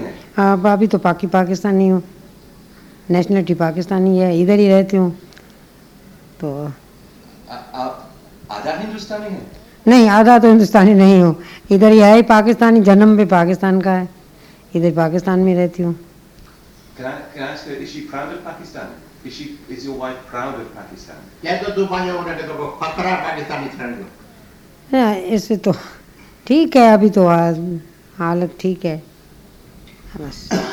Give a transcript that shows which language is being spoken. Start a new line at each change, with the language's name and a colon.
Hindi: हैं हाँ अभी तो पाकिस्तानी हूँ नेशनलिटी पाकिस्तानी है इधर ही रहती हूँ तो आप आधा हिंदुस्तानी हैं? नहीं आधा तो हिंदुस्तानी नहीं हूँ इधर पाकिस्तानी जन्म भी पाकिस्तान का है इधर पाकिस्तान में रहती हूँ
English: Is your wife proud of Pakistan?
Hindi: क्या तो दुबई वाले तो फकरा पाकिस्तानी थे ऐसे तो ठीक है, अभी तो हालत ठीक है बस.